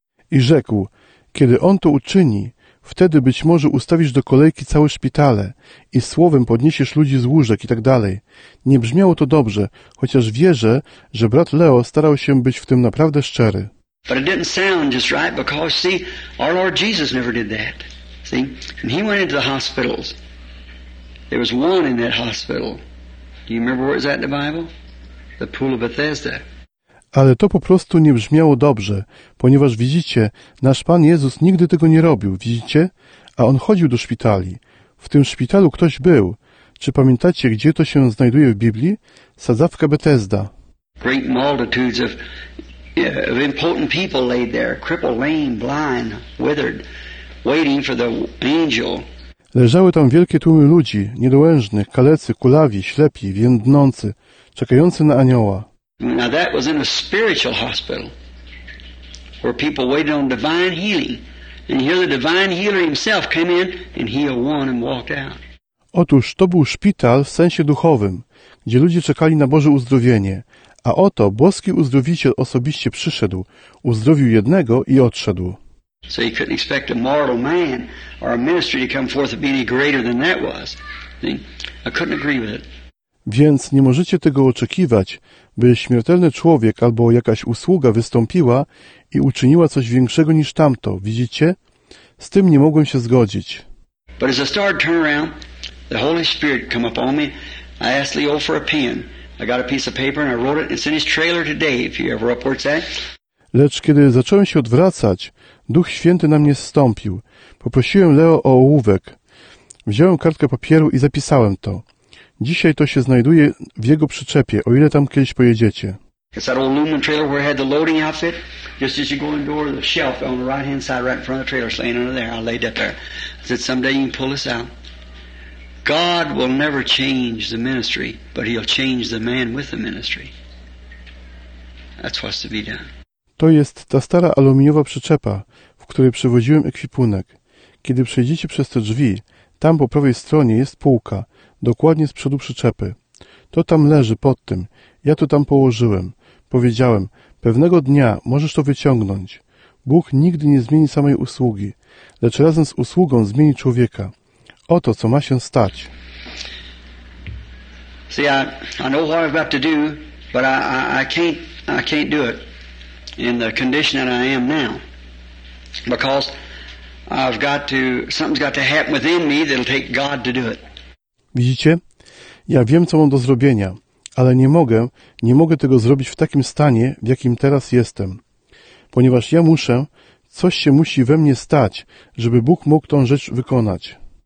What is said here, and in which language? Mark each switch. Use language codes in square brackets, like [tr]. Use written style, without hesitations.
[pl] I rzekł, kiedy on to uczyni, wtedy być może ustawisz do kolejki całe szpitale i słowem podniesiesz ludzi z łóżek i tak dalej. Nie brzmiało to dobrze, chociaż wierzę, że brat Leo starał się być w tym naprawdę szczery. [en] But it didn't sound just right because, see, our Lord Jesus never did that. See, and he went into the hospitals. There was one in that hospital. Do you remember where it was at in the Bible? The Pool of Bethesda. [pl] Ale to po prostu nie brzmiało dobrze, ponieważ widzicie, nasz Pan Jezus nigdy tego nie robił, widzicie? A On chodził do szpitali. W tym szpitalu ktoś był. Czy pamiętacie, gdzie to się znajduje w Biblii? Sadzawka Bethesda. [en] Great multitudes of... Of important people laid there, crippled, lame, blind, withered, waiting for the angel. [pl] Leżały tam wielkie tłumy ludzi, niedołężnych, kalecy, kulawi, ślepi, więdnący, czekający na anioła. [en] Now that was in a spiritual hospital, where people waited on divine healing, and here the divine healer himself came in and healed one and walked out. [pl] Otóż to był szpital w sensie duchowym, gdzie ludzie czekali na Boże uzdrowienie. A oto boski uzdrowiciel osobiście przyszedł, uzdrowił jednego i odszedł. [en] So he couldn't expect a mortal man or a ministry to come forth to be any greater than that was. I couldn't agree with it. [pl] Więc nie możecie tego oczekiwać, by śmiertelny człowiek albo jakaś usługa wystąpiła i uczyniła coś większego niż tamto, widzicie? Z tym nie mogłem się zgodzić. [en] But as I started to turn around, the Holy Spirit came upon me. I asked Leo for a pen. I got a piece of paper and I wrote it. It's in his trailer today, if you ever up where it's at. [pl] Lecz kiedy zacząłem się odwracać, Duch Święty na mnie zstąpił. Poprosiłem Leo o ołówek. Wziąłem kartkę papieru i zapisałem to. Dzisiaj to się znajduje w jego przyczepie, o ile tam kiedyś pojedziecie. [en] It's that old Lumen trailer where I had the loading outfit. Just as you go in the door, the shelf on the right hand side, right in front of the trailer, laying under there. I laid that there. I said, someday you can pull this out. God will never change the ministry, but he'll change the man with the ministry. That's what's to be done. [pl] To jest ta stara aluminiowa przyczepa, w której przewoziłem ekwipunek. Kiedy przejdziecie przez te drzwi, tam po prawej stronie jest półka, dokładnie z przodu przyczepy. To tam leży, pod tym. Ja to tam położyłem. Powiedziałem, pewnego dnia możesz to wyciągnąć. Bóg nigdy nie zmieni samej usługi, lecz razem z usługą zmieni człowieka. Oto, co ma się stać. [en] See, I know what I've got to do, but I can't do it in the condition that I am now. Because something's got to happen within me that'll take God to do it. [pl] Widzicie? Ja wiem, co mam do zrobienia, ale nie mogę tego zrobić w takim stanie, w jakim teraz jestem. Ponieważ ja muszę, coś się musi we mnie stać, żeby Bóg mógł tą rzecz wykonać.